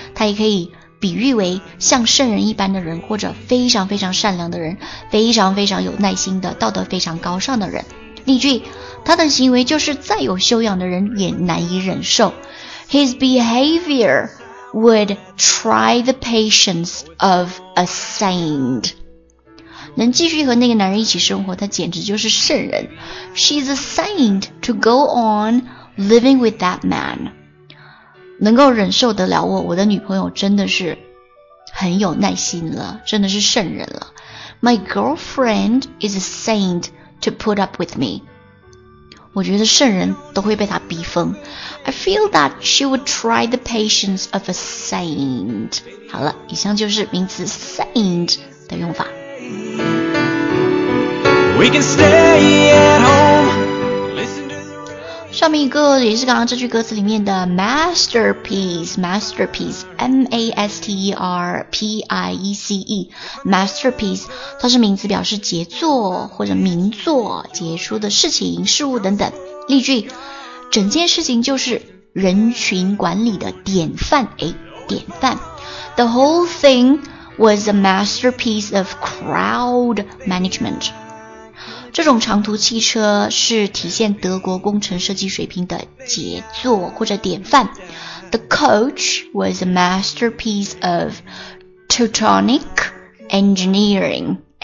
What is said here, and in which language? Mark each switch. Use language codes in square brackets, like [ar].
[zh] 它也可以比喻为像圣人一般的人，或者非常非常善良的人，非常非常有耐心的，道德非常高尚的人。例句，他的行为就是再有修养的人也难以忍受。 [en] His behavior would try the patience of a saint. [zh] 能继续和那个男人一起生活，他简直就是圣人。 [en] She's a saint to go on living with that man. [zh] 能够忍受得了我的女朋友真的是很有耐心了，真的是圣人了。 [en] My girlfriend is a saint. To put up with me. [zh] 我觉得圣人都会被他逼疯。 [en] I feel that she would try the patience of a saint. [zh] 好了，以上就是名词 saint 的用法。 [en] We can stay at home. [zh] 上面一个也是刚刚这句歌词里面的 masterpiece, masterpiece, M-A-S-T-E-R-P-I-E-C-E, masterpiece, 它是名词表示杰作或者名作、杰出的事情、事物等等。例句，整件事情就是人群管理的典范，诶，典范。 [en] The whole thing was a masterpiece of crowd management. [zh] 这种长途汽车是体现德国工程设计水平的杰作或者典范。 [en] The coach was a masterpiece of Teutonic engineering.